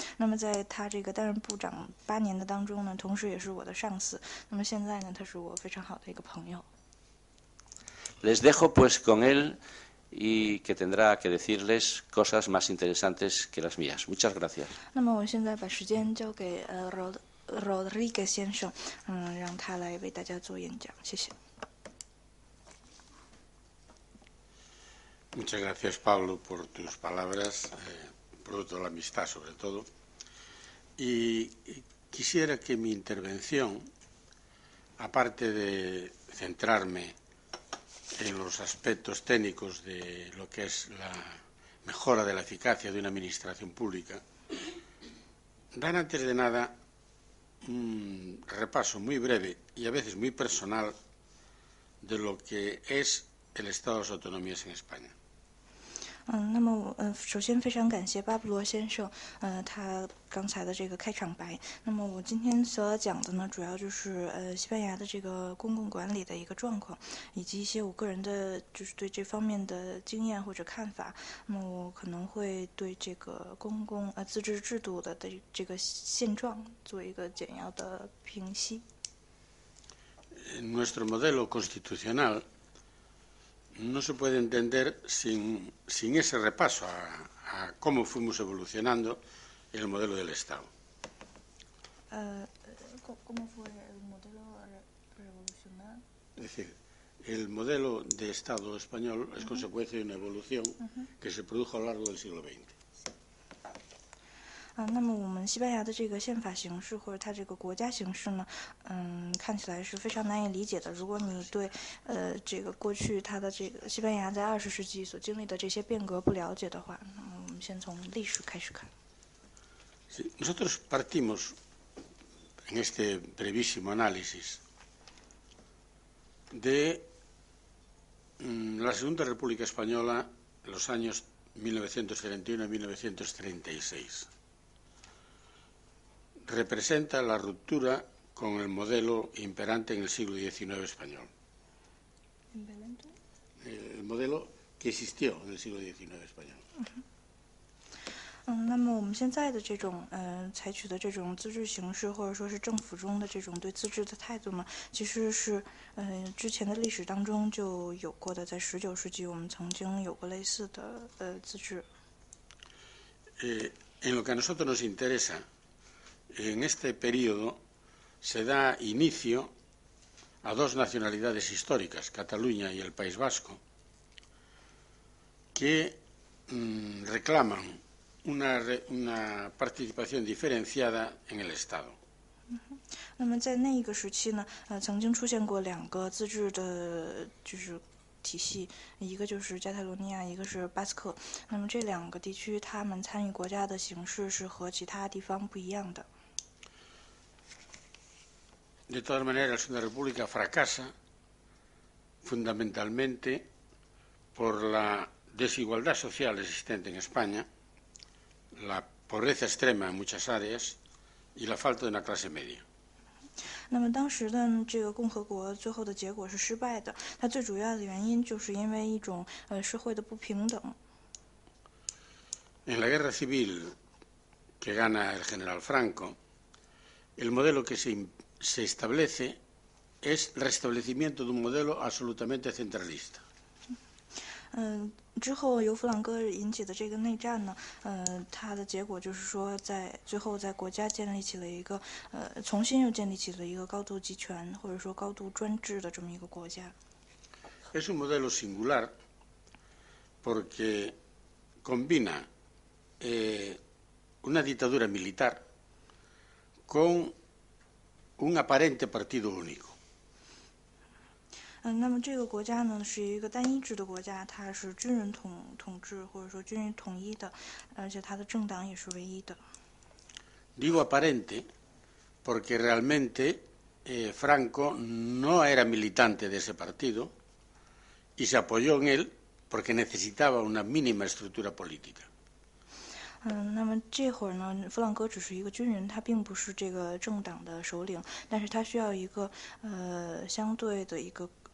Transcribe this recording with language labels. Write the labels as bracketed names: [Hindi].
[Chinese] 那么在他这个担任部长8年的当中呢，同时也是我的上司。那么现在呢，他是我非常好的一个朋友。 [Spanish] Les dejo pues con él y que tendrá que decirles cosas más interesantes que las mías. Muchas gracias. [Chinese] 那么我现在把时间交给Rodrigo 先生，让他来为大家做演讲，谢谢。 [Spanish] Muchas gracias, Pablo, por tus palabras, producto de la amistad sobre todo. Y quisiera que mi intervención, aparte de centrarme en los aspectos técnicos de lo que es la mejora de la eficacia de una administración pública, dar antes de nada un repaso muy breve y a veces muy personal de lo que es el Estado de las Autonomías en España. [Chinese] 那么我首先非常感谢巴布罗先生，他刚才的这个开场白。那么我今天所要讲的呢，主要就是西班牙的这个公共管理的一个状况，以及一些我个人的就是对这方面的经验或者看法。那么我可能会对这个公共自治制度的这个现状做一个简要的评析。 [Spanish] Nuestro modelo constitucional no se puede entender sin ese repaso a cómo fuimos evolucionando el modelo del Estado. ¿Cómo fue el modelo revolucionario? Es decir, el modelo de Estado español es consecuencia de una evolución que se produjo a lo largo del siglo XX. [Chinese] 那么我们西班牙的这个宪法形式或者它这个国家形式呢，看起来是非常难以理解的。如果你对这个过去它的这个西班牙在20世纪所经历的这些变革不了解的话，那么我们先从历史开始看。 [Spanish] Nosotros partimos en este brevísimo análisis de la Segunda República Española en los años 1931-1936. Representa la ruptura con el modelo imperante en el siglo XIX español. El modelo que existió en el siglo XIX español. [Chinese] 那么我们现在的这种，采取的这种自治形式，或者说是政府中的这种对自治的态度呢，其实是，之前的历史当中就有过的，在19世纪我们曾经有过类似的，自治。 [Spanish] En lo que a nosotros nos interesa, en este periodo se da inicio a dos nacionalidades históricas, Cataluña y el País Vasco, que reclaman una participación diferenciada en el Estado. [Chinese] 那么在那一个时期呢，曾经出现过两个自治的，就是体系，一个就是加泰罗尼亚，一个是巴斯克。那么这两个地区，他们参与国家的形式是和其他地方不一样的。 [Spanish] De todas maneras, la Segunda República fracasa fundamentalmente por la desigualdad social existente en España, la pobreza extrema en muchas áreas y la falta de una clase media. [Chinese] 那么当时的这个共和国最后的结果是失败的，它最主要的原因就是因为一种社会的不平等。 [Spanish] En la guerra civil que gana el general Franco, el modelo que se establece es el restablecimiento de un modelo absolutamente centralista. [Chinese] 之后由弗朗哥引起的这个内战呢，它的结果就是说，在最后在国家建立起了一个，重新又建立起了一个高度集权或者说高度专制的这么一个国家。 [Spanish] Es un modelo singular porque combina una dictadura militar con un aparente partido único. [Chinese] 那么这个国家呢，是一个单一制的国家，它是军人统治或者说军人统一的，而且它的政党也是唯一的。 [Spanish] Digo aparente porque realmente Franco no era militante de ese partido y se apoyó en él porque necesitaba una mínima estructura política. [Chinese] 那么这会儿呢，弗朗哥只是一个军人，他并不是这个政党的首领，但是他需要一个相对的一个。